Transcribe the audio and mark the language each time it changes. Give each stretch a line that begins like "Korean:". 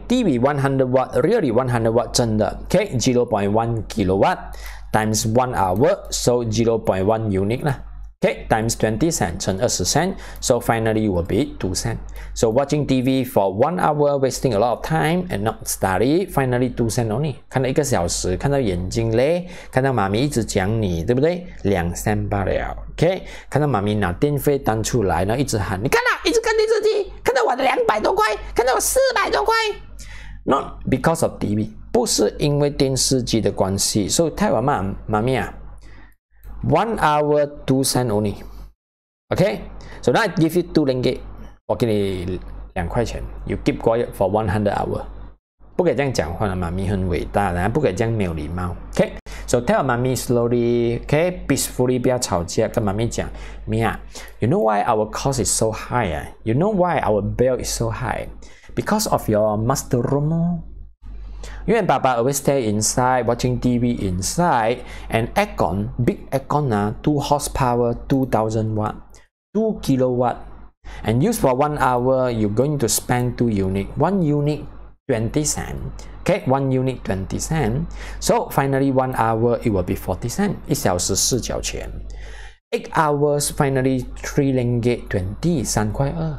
English: TV 100 watt, really 100 watt,
Chinese: 真的
English: Okay, 0.1 kilowatt times 1 hour, so 0.1 unit lah Okay, times 20 cent
Chinese: 乘
English: 20 cent, so finally will be 2 cent. So watching TV for 1 hour, wasting a lot of time and not study, finally 2 cent only.
Chinese: 看到一个小时，看到眼睛累，看到妈咪一直讲你，对不对？两 cent 罢了。 Okay, 看到妈咪拿电费单出来，然后一直喊，你看到、啊，一直看电视机，看到我的200多块，看到我400多块。
English: Not because of TV,
Chinese: 不是因为电视机的关系。So 太晚嘛，妈咪啊。
English: 1 hour 2 cents only. Okay, so now I give you 2 ringgit.
Chinese: 我给你2块钱。
English: You keep quiet for 100 hours.
Chinese: 不可以这样讲话的，妈咪很伟大的，不可以这样没有礼貌。
English: Okay, so tell mommy slowly. Okay, peacefully,
Chinese: 不要吵架。跟妈咪讲，咪啊 ，
English: You know why our cost is so high? You know why our bill is so high? Because of your master room.
Chinese: 因为爸爸
English: always stay inside, watching TV inside, and aircon, big aircon, 2 horsepower, 2000 watt, 2 kilowatt, and use for 1 hour, you're going to spend 2 units, 1 unit 20 cents, okay, 1 unit 20 cents, so finally 1 hour, it will be 40 cents,
Chinese: 1小时4角钱,
English: 8 hours, finally 3 ringgit 20,
Chinese: 3块